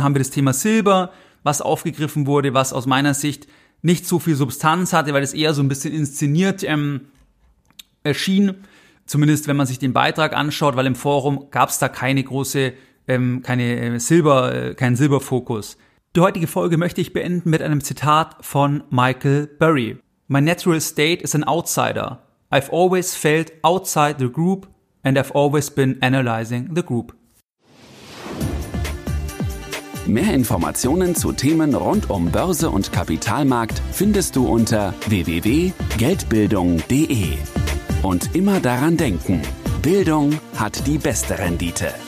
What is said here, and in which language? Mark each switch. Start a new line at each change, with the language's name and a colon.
German: Dann haben wir das Thema Silber, was aufgegriffen wurde, was aus meiner Sicht nicht so viel Substanz hatte, weil es eher so ein bisschen inszeniert erschien. Zumindest, wenn man sich den Beitrag anschaut, weil im Forum gab es da keinen Silberfokus. Die heutige Folge möchte ich beenden mit einem Zitat von Michael Burry.
English: My natural state is an outsider. I've always felt outside the group and I've always been analyzing the group.
German: Mehr Informationen zu Themen rund um Börse und Kapitalmarkt findest du unter www.geldbildung.de. Und immer daran denken, Bildung hat die beste Rendite.